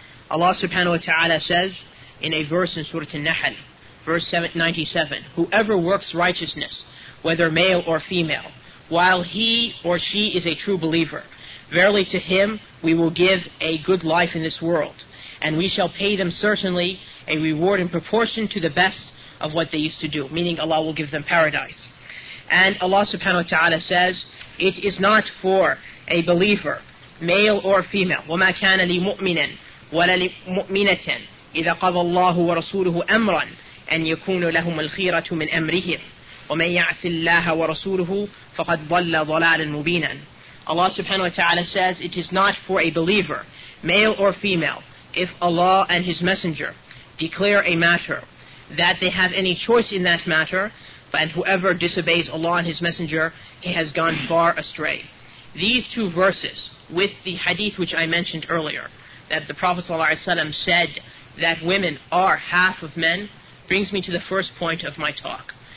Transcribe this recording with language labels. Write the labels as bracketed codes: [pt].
[en] Allah subhanahu wa ta'ala says in a verse in Surah An-Nahl, verse 97, whoever works righteousness, whether male or female, while he or she is a true believer, verily to him we will give a good life in this world, and we shall pay them certainly a reward in proportion to the best of what they used to do, meaning Allah will give them paradise. And Allah subhanahu wa ta'ala says, it is not for a believer, male or female, [ar] وَمَا كَانَ لِمُؤْمِنٍ وَلَا لِمُؤْمِنَةٍ إِذَا قَضَى اللَّهُ وَرَسُولُهُ أَمْرًا أن يكون لهم الخيرة من أمرهم ومن يعص الله ورسوله فقد ضل ضلالا مبينا. [en] Allah subhanahu wa ta'ala says, it is not for a believer, male or female, if Allah and His Messenger declare a matter, that they have any choice in that matter, but whoever disobeys Allah and His Messenger, he has gone far astray. These two verses, with the hadith which I mentioned earlier, that the Prophet ﷺ said that women are half of men, brings me to the first point of my talk.